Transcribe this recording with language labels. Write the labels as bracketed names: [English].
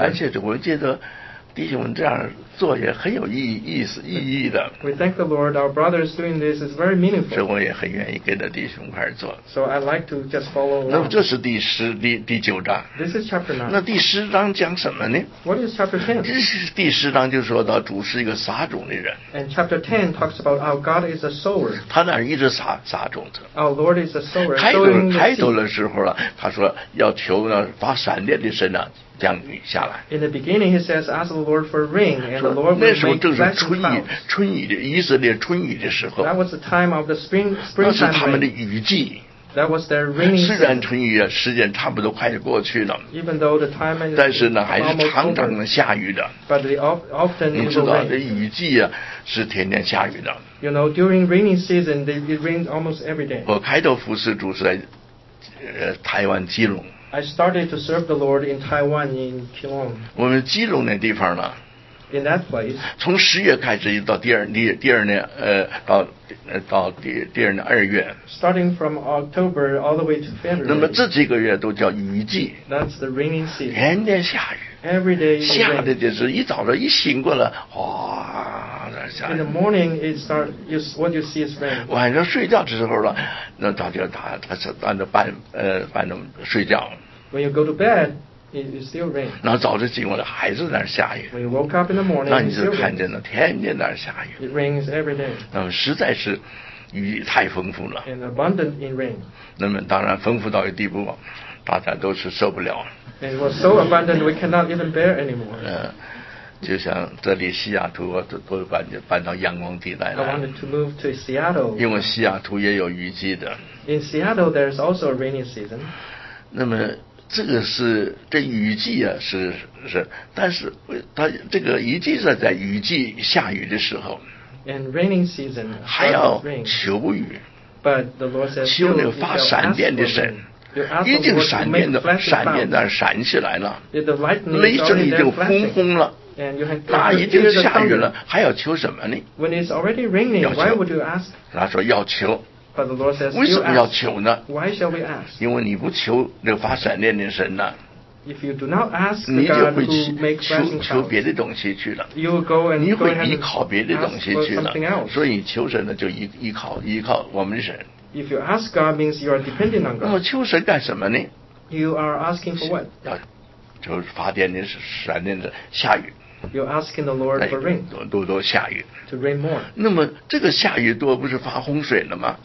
[Chinese] 而且我觉得弟兄们这样做也很有意义的。 [English] We thank the Lord. Our brothers doing this is very meaningful. [Chinese] 所以我也很愿意跟着弟兄一块做。 [English] So I like to just follow along. [Chinese] 那么这是第九章。 [English] This is chapter 9. [Chinese] 那第十章讲什么呢 [English] ？What is chapter 10? [Chinese] 第十章就说到主是一个撒种的人。 [English] And chapter 10 talks about how God is a sower. [Chinese] 他那儿一直撒种子。 [English] Our Lord is a sower. [Chinese] 开头的时候了、啊，他说要求呢发闪电的神呢、啊。降雨下来。 [English] In the beginning, he says, "Ask the Lord for rain, and the Lord will make blessings fall." [Chinese] 那时候正是春雨的以色列春雨的时候。 [English] That was the time of the spring. [Chinese] 那是他们的雨季。 [English] That was their rainy season. [Chinese] 虽然春雨啊，时间差不多快就过去了。 [English] Even though the time is, [Chinese] 但是呢，还是常常能下雨的。 [English] But often, [Chinese] 你知道，这雨季啊，是天天下雨的。 [English] You know, during rainy season, it rains almost every day. [Chinese] 我开头服侍主是在台湾基隆。 [English] I started to serve the Lord in Taiwan in Keelung. [Chinese] 我们基隆那地方呢 [English] ？In that place. [Chinese] 从十月开始，到第二年二月。 [English] Starting from October all the way to February. [Chinese] 那么这几个月都叫雨季。 [English] That's the rainy season. [Chinese] 天天下雨。 [English] Every day. [Chinese] 下的就是一早上一醒过来，哇，那下雨。 [English] In the morning, it starts. What you see is rain. [Chinese] 晚上睡觉的时候了，那他就他是按照半钟睡觉。 [English] When you go to bed, it still rains. [Chinese] 那早上醒过来还是在那下雨。 [English] When you woke up in the morning, 那 [Chinese] 你就看见了，天天在那下雨。 [English] It rains every day. [Chinese] 那么实在是雨太丰富了。 [English] And abundant in rain. [Chinese] 那么当然丰富到一个地步，大家都是受不了。 [English] It was so abundant we cannot even bear anymore. [Chinese] 就像这里西雅图都搬到阳光地带来。 [English] I wanted to move to Seattle. [Chinese] 因为西雅图也有雨季的。 [English] In Seattle, there is also a rainy season. [Chinese] 那么这个是这雨季啊，是，但是它这个雨季是在雨季下雨的时候。 [English] And raining season. [Chinese] 还要求雨。 [English] But the Lord says, [Chinese] 求那个发闪电的神。一定闪电的，闪电那闪起来了，雷声已经轰轰了，那一定下雨了，还要求什么呢？ [English] When it's already raining, why would you ask? [Chinese] 他说要求。 [English] But the Lord says, [Chinese] 为什么要求呢 [English] ？Why shall we ask? [Chinese] 因为你不求那个发闪电的神呢 [English] ？If you do not ask, [Chinese] 你就会求别的东西去了。 [English] You will go and [Chinese] 你会依靠别的东西去了。所以求神呢，就依靠我们的神。 [English] If you ask God, means you are depending on God. [Chinese] 那么求神干什么呢 [English] ？You are asking for what? [Chinese] 要就是发电的闪电的下雨。 [English] You're asking the Lord for rain. [Chinese] 多下雨。 [English] To rain more. [Chinese] 那么这个下雨多不是发洪水了吗